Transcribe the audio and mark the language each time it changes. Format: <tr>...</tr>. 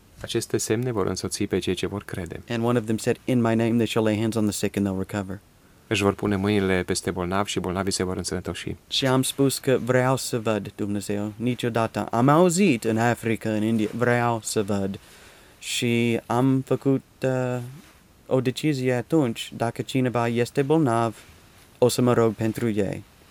<ro>Aceste semne vor însoți pe cei ce vor crede.</ro> <en>And one of them said, in my name they shall lay hands on the sick and they'll recover.</en> <ro>Își vor pune mâinile peste bolnavi și bolnavii se vor însănătoși. Și am spus că vreau să văd Dumnezeu niciodată. Am auzit în Africa, în India, vreau să văd. Și am făcut o decizie atunci, dacă cineva este bolnav, o să mă rog pentru ei.</ro>